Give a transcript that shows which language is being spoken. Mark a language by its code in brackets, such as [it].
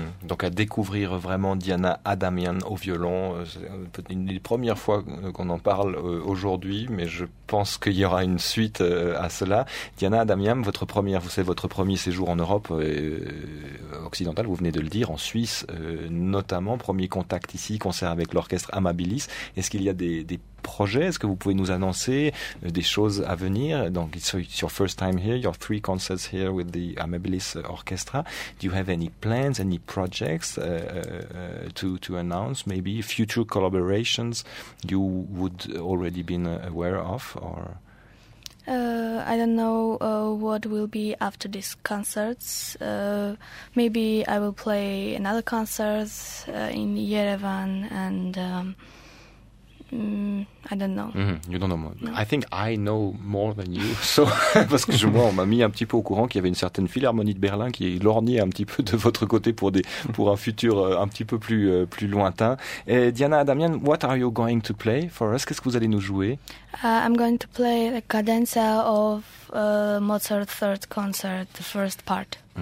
[fr] Donc à découvrir vraiment Diana Adamian au violon, c'est une des premières fois qu'on en parle aujourd'hui, mais je pense qu'il y aura une suite à cela. Diana Adamian, votre premier séjour en Europe occidentale, vous venez de le dire, en Suisse notamment, premier contact ici, concert avec l'orchestre Amabilis. Est-ce qu'il y a des projet, est-ce que vous pouvez nous annoncer des choses à venir? [en] Donc, it's your first time here, your 3 concerts here with the Amabilis Orchestra. Do you have any plans, any projects to announce? Maybe future collaborations you would already been aware of? Or I don't know what will be after these concerts. Maybe I will play another concert in Yerevan and I don't know. You don't know more. No. I think I know more than you. [fr] So, parce que moi, on m'a mis un petit peu au courant qu'il y avait une certaine philharmonie de Berlin qui lorgnait un petit peu de votre côté pour un futur un petit peu plus lointain. [en] Et Diana Adamian, what are you going to play for us? [fr] Qu'est-ce que vous allez nous jouer? [en] I'm going to play a cadenza of Mozart's third concert, the first part.